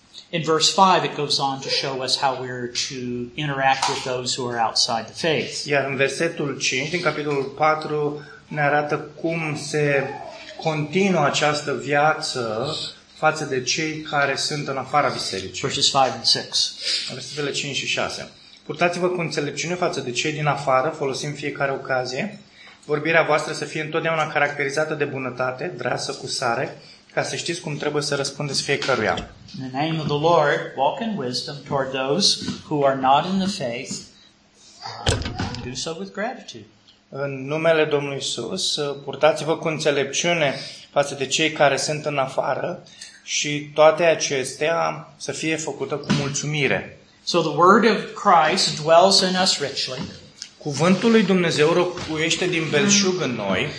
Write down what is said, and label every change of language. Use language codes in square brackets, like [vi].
[en] In verse 5 it goes on to show us how we are to interact with those who are outside the faith. [ro] Iar în versetul 5 din capitolul 4 ne arată cum se continuă această viață față de cei care sunt în afara bisericii. [en] Verses 5 and 6. [ro] Versetele 5 și 6. Purtați-vă cu înțelepciune față de cei din afară, folosind fiecare ocazie. Vorbirea voastră să fie întotdeauna caracterizată de bunătate, dreasă cu sare, ca să știți cum trebuie să răspundeți fiecăruia. [en] In the name of the Lord, walk in wisdom toward those who are not in the faith, and do so with gratitude. [ro] În numele Domnului Iisus, purtați-vă cu înțelepciune față de cei care sunt în afară și toate acestea să fie făcute cu mulțumire. [en] So the word of Christ dwells in us richly. [ro] Cuvântul lui Dumnezeu locuiește din belșug în noi.